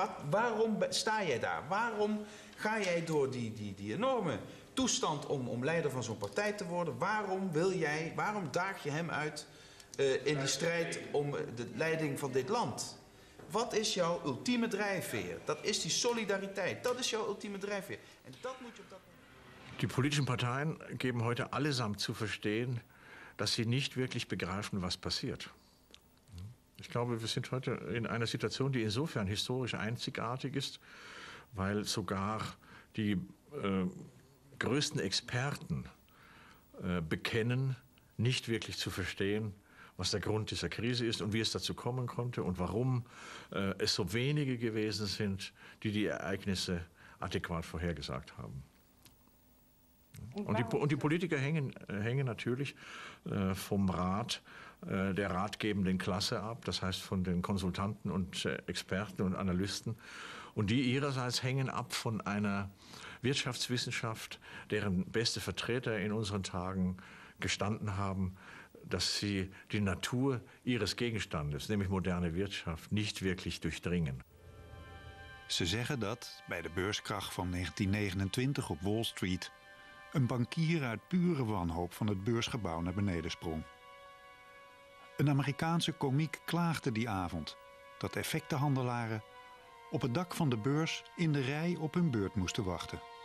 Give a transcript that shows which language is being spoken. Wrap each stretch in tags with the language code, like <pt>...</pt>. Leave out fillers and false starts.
<nl>Waarom sta jij daar? Waarom ga jij door die enorme toestand om leider van zo'n partij te worden, waarom daag je hem uit in die strijd om de leiding van dit land. Wat is jouw ultieme drijfveer? Dat is die solidariteit. Dat is jouw ultieme drijfveer. En dat moet je op dat moment.</nl> <de>Die politischen Parteien geben heute allesamt zu verstehen, dass sie nicht wirklich begreifen, was passiert. Ich glaube, wir sind heute in einer Situation, die insofern historisch einzigartig ist, weil sogar die größten Experten bekennen, nicht wirklich zu verstehen, was der Grund dieser Krise ist und wie es dazu kommen konnte und warum es so wenige gewesen sind, die die Ereignisse adäquat vorhergesagt haben. Und die Politiker hängen natürlich vom Rat der ratgebenden Klasse ab, das heißt von den Konsultanten und Experten und Analysten. Und die ihrerseits hängen ab von einer Wirtschaftswissenschaft, deren beste Vertreter in unseren Tagen gestanden haben, dass sie die Natur ihres Gegenstandes, nämlich moderne Wirtschaft, nicht wirklich durchdringen.</de> <nl>Ze zeggen dat bij de beurskrach van 1929 op Wall Street een bankier uit pure wanhoop van het beursgebouw naar beneden sprong. Een Amerikaanse komiek klaagde die avond dat effectenhandelaren op het dak van de beurs in de rij op hun beurt moesten wachten.</nl>